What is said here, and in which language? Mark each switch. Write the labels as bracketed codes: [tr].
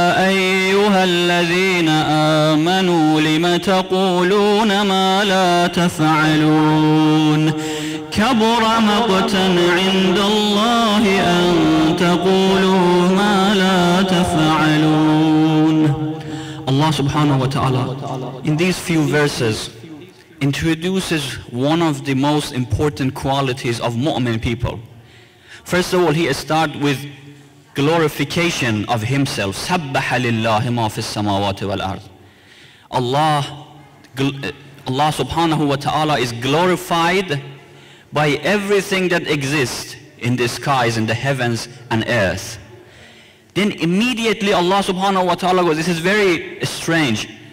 [ar] أيها الذين آمنوا لم تقولون ما لا تفعلون كبر مقتا عند الله أن تقولوا ما لا تفعلون. [en] Allah subhanahu wa ta'ala in these few verses introduces one of the most important qualities of mu'min people. First of all, he starts with glorification of himself. [ar] سبح لله ما في السماوات والأرض. [en] Allah subhanahu wa ta'ala is glorified by everything that exists in the skies, in the heavens and earth. Then immediately Allah subhanahu wa ta'ala goes, this is very strange.